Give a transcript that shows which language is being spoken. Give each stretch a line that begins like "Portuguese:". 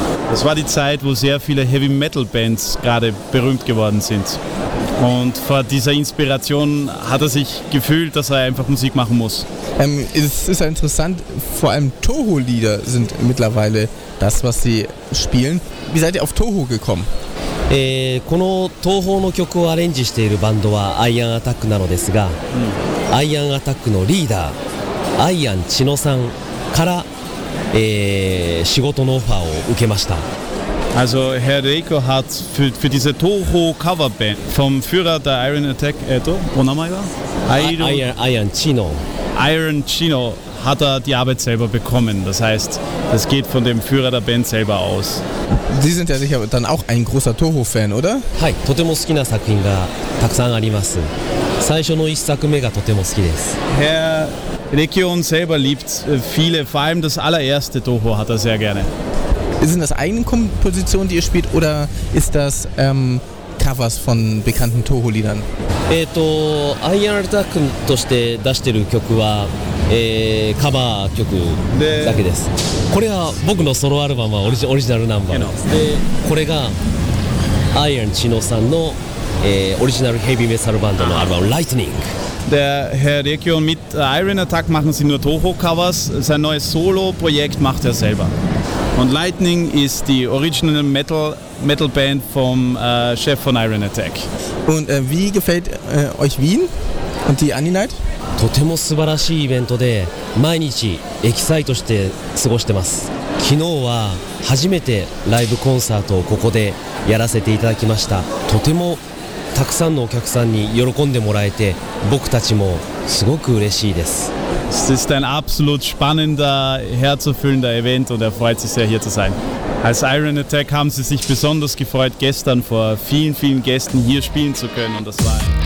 German: Das war die Zeit, wo sehr viele Heavy-Metal-Bands gerade berühmt geworden sind. Und vor dieser Inspiration hat er sich gefühlt, dass er einfach Musik machen muss. Es ist ja interessant, vor allem Toho-Lieder sind mittlerweile das, was sie spielen. Wie seid ihr auf Toho gekommen?
Japanese: この東方の曲をアレンジしているバンドはアイアンアタックなのですが、アイアンアタックのリーダーアイアン千野さんから、仕事のオファーを受けました。
German: Also Herr Reiko hat für diese Toho Coverband vom Führer der Iron Attack,
Japanese: お名前は？アイアン千
German: 野。Iron Chino hat die Arbeit selber bekommen. Das heißt, das geht von dem Führer der Band selber aus. Sie sind ja sicher dann auch ein großer Toho-Fan, oder?
Japanese: はい、とても好きな作品がたくさんあります。最初の一作目がとても好きです。
German: Herr Region selber liebt viele, vor allem das allererste Toho hat sehr gerne. Sind das eigene Kompositionen, die ihr spielt, oder ist das Covers von bekannten Toho-Liedern?
Japanese: Iron Attack として出してる曲はカバー曲だけです。これは僕のソロアルバムはオリジナルナンバーです。で、これがアイアン千野さんの、オリジナルヘビーメタルバンドのアルバム、Lightning。
German: Der Herr Rekion, mit Iron Attack machen sie nur Toho Covers. Sein neues Solo-Projekt macht selber. Und Lightning ist die original Metal Band vom Chef von Iron Attack. Und wie gefällt euch Wien und die Anime Night?
Japanese: とても素晴らしいイベントで毎日エキサイトして過ごしてます。昨日は初めてライブコンサートをここでやらせていただきました。とてもたくさんのお客さんに喜んでもらえて僕たちもすごく嬉しいです。
German: Es ist ein absolut spannender, herzerfüllender Event und freut sich sehr hier zu sein. Als Iron Attack haben sie sich besonders gefreut gestern vor vielen, vielen Gästen hier spielen zu können und das war...